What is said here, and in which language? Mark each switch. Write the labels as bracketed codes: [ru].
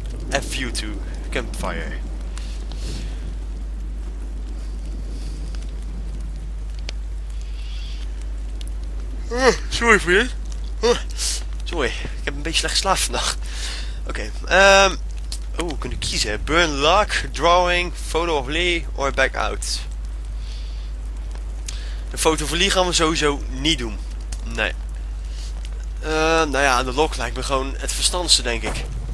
[en] FU to campfire. [nl] Sorry voor je. Sorry, ik heb een beetje slecht geslapen vandaag. Oké, we kunnen kiezen. [en] Burn luck, drawing, photo of Lee, or back out. [nl] De foto van Lee gaan we sowieso niet doen. Nee. Nou ja, de lok lijkt me gewoon het verstandigste, denk ik.